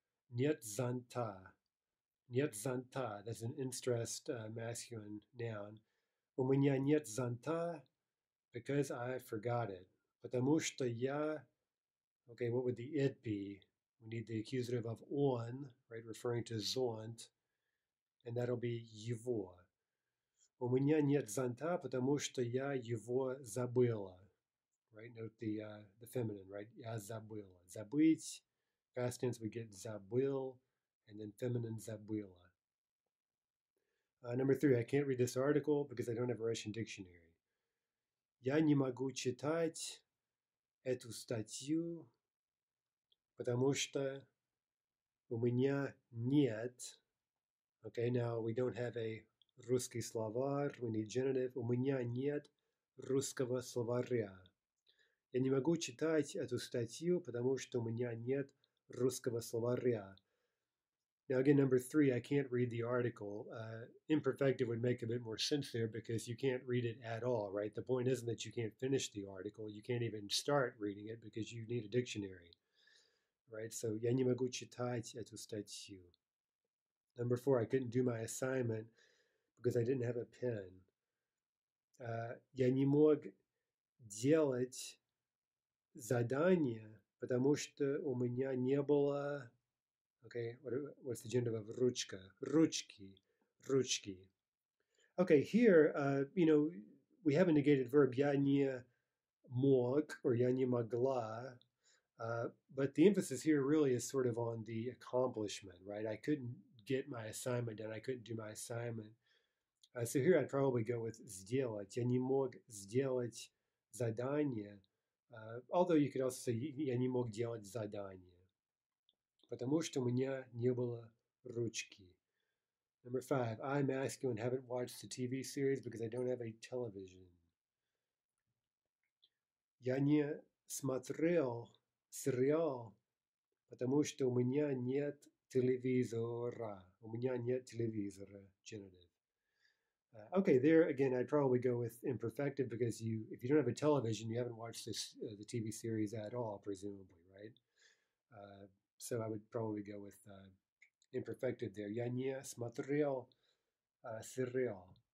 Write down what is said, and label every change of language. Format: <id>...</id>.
<ru>Нет зонта. Нет зонта.</ru> <en>That's an in-stressed masculine noun.</en> <ru>У меня нет зонта</ru> <en>because I forgot it.</en> <ru>Потому что я.</ru> <en>Okay, what would the it be? We need the accusative of он, right, referring to зонт, and that'll be его.</en> <ru>У меня нет зонта, потому что я его забыла.</ru> <en>Right, note the feminine, right?</en> <ru>Я забыла.</ru> <en>Забыть, past tense, we get забыл, and then feminine забыла. Number three, I can't read this article because I don't have a Russian dictionary.</en> <ru>Я не могу читать эту статью, потому что у меня нет.</ru> <en>Okay, now we don't have a</en> <ru>русский словарь.</ru> <en>We need genitive.</en> <ru>У меня нет русского словаря. Я не могу читать эту статью, потому что у меня нет русского словаря.</ru> <en>Now again, number three, I can't read the article. Imperfective would make a bit more sense there because you can't read it at all, right? The point isn't that you can't finish the article. You can't even start reading it because you need a dictionary, right?</en> <ru>So, я не могу читать эту статью.</ru> <en>Number four, I couldn't do my assignment because I didn't have a pen.</en> <ru>Я не мог делать задание, потому что у меня не было.</ru> <en>Okay, what's the gender of ручка? Ручки, ручки. Okay, here, we have a negated verb,</en> <ru>я не мог</ru> <en>or</en> <ru>я не могла,</ru> <en>but the emphasis here really is sort of on the accomplishment, right? I couldn't get my assignment done, I couldn't do my assignment. So here I'd probably go with сделать.</en> <ru>Я не мог сделать задание.</ru> <en>Although you could also say,</en> <ru>я не мог делать задание. Потому что у меня не было ручки.</ru> <en>Number five, I masculine haven't watched the TV series because I don't have a television.</en> <ru>Я не смотрел сериал, потому что у меня нет телевизора. У меня нет телевизора, genitive.</ru> <en>Okay, there again, I'd probably go with imperfective because if you don't have a television, you haven't watched the TV series at all, presumably, right? So I would probably go with imperfective there.</en> <ru>Я не смотрел сериал.</ru>